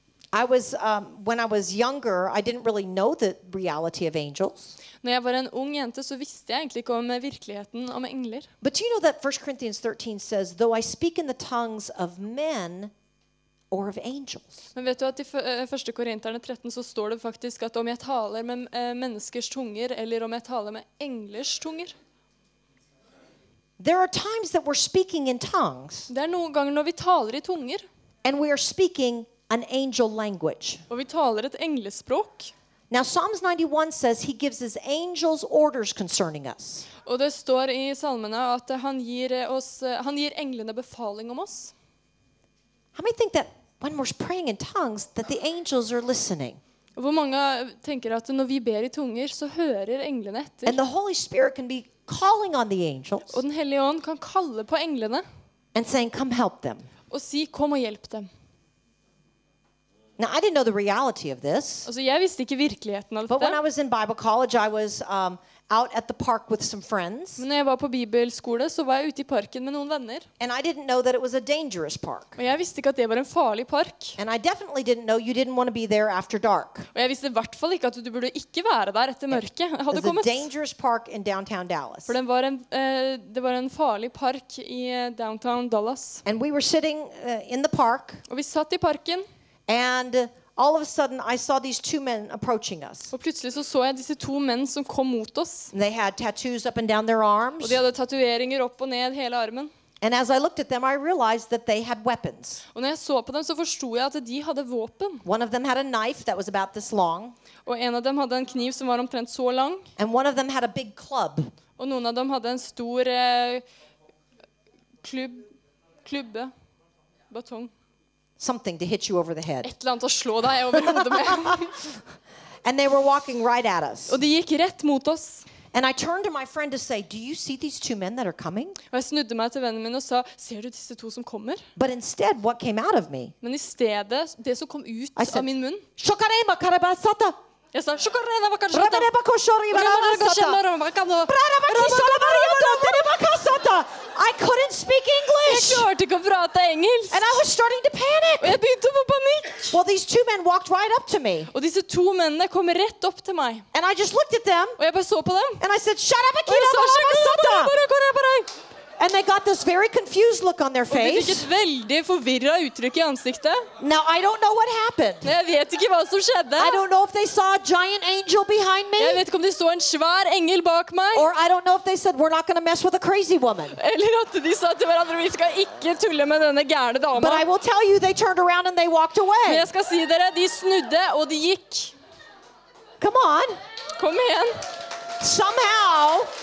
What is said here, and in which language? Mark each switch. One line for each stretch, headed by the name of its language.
English: I was when I was younger, I didn't really know the reality of angels.
Norwegian: Når jeg var en ung jente, så visste jeg egentlig ikke om virkeligheten om engler.
English: But you know that 1 Corinthians 13 says, though I speak in the tongues of men or of angels.
Norwegian: Men vet du at i 1. Korinterne 13 så står det faktisk at om jeg taler med menneskers tunger eller om jeg taler med englers tunger.
English: There are times that we're speaking in tongues.
Norwegian: Det er noen ganger når vi taler i tunger.
English: And we are speaking an angel language.
Norwegian: Og vi taler et englespråk.
English: Now Psalms 91 says he gives his angels orders concerning us.
Norwegian: Og det står i salmene at han gir englene befaling om oss.
English: How many think that when we're praying in tongues that the angels are listening?
Norwegian: Hvor mange tenker at når vi ber i tunger så hører englene etter?
English: And the Holy Spirit can be calling on the angels.
Norwegian: Og den hellige ånd kan kalle på englene.
English: And saying come help them.
Norwegian: Og si kom og hjelp dem.
English: Now I didn't know the reality of this.
Norwegian: Altså, jeg visste ikke virkeligheten av dette.
English: But when I was in Bible college, I was out at the park with some friends.
Norwegian: Men når jeg var på bibelskole, så var jeg ute i parken med noen venner.
English: And I didn't know that it was a dangerous park.
Norwegian: Og jeg visste ikke at det var en farlig park.
English: And I definitely didn't know you didn't want to be there after dark.
Norwegian: Og jeg visste i hvert fall ikke at du burde ikke være der etter mørket.
English: It was a dangerous park in downtown Dallas.
Norwegian: For det var en farlig park i downtown Dallas.
English: And we were sitting in the park.
Norwegian: Og vi satt i parken.
English: And all of a sudden, I saw these two men approaching us.
Norwegian: Og plutselig så jeg disse to menn som kom mot oss.
English: And they had tattoos up and down their arms.
Norwegian: Og de hadde tatueringer opp og ned hele armen.
English: And as I looked at them, I realized that they had weapons.
Norwegian: Og når jeg så på dem, så forsto jeg at de hadde våpen.
English: One of them had a knife that was about this long.
Norwegian: Og en av dem hadde en kniv som var omtrent så lang.
English: And one of them had a big club.
Norwegian: Og noen av dem hadde en stor klubbe, batong.
English: Something to hit you over the head.
Norwegian: Et eller annet å slå deg over hodet med.
English: And they were walking right at us.
Norwegian: Og de gikk rett mot oss.
English: And I turned to my friend to say, "Do you see these two men that are coming?"
Norwegian: Og jeg snudde meg til vennen min og sa, "Ser du disse to som kommer?"
English: But instead, what came out of me?
Norwegian: Men i stedet, det som kom ut av min munn. Shukarema karabasata. Jeg sa, "Shukarema karabasata." Rabareba koshori barabasata.
English: I couldn't speak English.
Norwegian: Jeg klarte ikke å prate engelsk.
English: And I was starting to panic.
Norwegian: Og jeg begynte å få panikk.
English: Well, these two men walked right up to me.
Norwegian: Og disse to mennene kom rett opp til meg.
English: And I just looked at them.
Norwegian: Og jeg bare så på dem.
English: And I said, "Shut up, Akira, Masata." And they got this very confused look on their face.
Norwegian: Og de fikk et veldig forvirret uttrykk i ansiktet.
English: Now I don't know what happened.
Norwegian: Jeg vet ikke hva som skjedde.
English: I don't know if they saw a giant angel behind me.
Norwegian: Jeg vet ikke om de så en svær engel bak meg.
English: Or I don't know if they said we're not going to mess with a crazy woman.
Norwegian: Eller at de sa til hverandre vi skal ikke tulle med denne gærne dama.
English: But I will tell you they turned around and they walked away.
Norwegian: Men jeg skal si dere, de snudde og de gikk.
English: Come on.
Norwegian: Kom igjen.
English: Somehow.